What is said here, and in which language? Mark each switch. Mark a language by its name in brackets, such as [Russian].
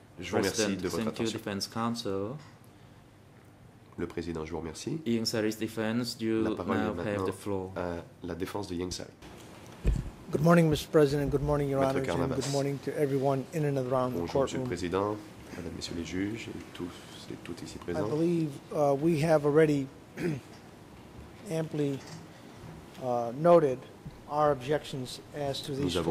[English] President, thank you, Defense Counsel. [French] Le Président, je vous remercie. [English] Yingsari's defense, you now have the floor. [French] La défense de Yingsari. [English] Good morning, Mr. President. Good morning, Your Honor. Good morning to everyone in and around the courtroom. [French] Bonjour, Monsieur le Président, Madame, Messieurs les juges, et tous et toutes ici présents. [English] I believe we have already amply noted our objections as to these